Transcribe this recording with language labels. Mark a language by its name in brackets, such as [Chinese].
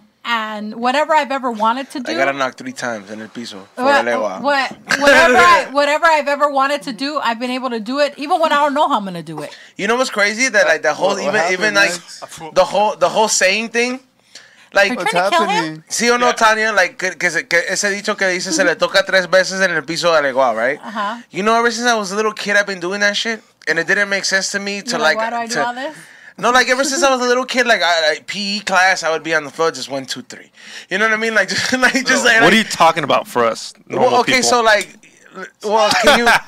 [English] And whatever I've ever wanted to do. I got to knock 3 times in [Spanish] el piso. [English] Whatever I've ever wanted to do, I've been able to do it. Even when I don't know how I'm going to do it. You know what's crazy? That like the whole, the whole saying thing. Like, what's happening? [Spanish] Sí o no, Tania? Like, ese dicho que dice, se le toca 3 veces en el piso de legua, right? Uh-huh. [English] You know, ever since I was a little kid, I've been doing that shit. And it didn't make sense to me to like. Why do I do all this? No, like, ever since I was a little kid, like, PE class, I would be on the floor, just 1, 2, 3. You know what I mean? Like, just like... What are you talking about for us, normal well, okay, people? So, like, well, can you...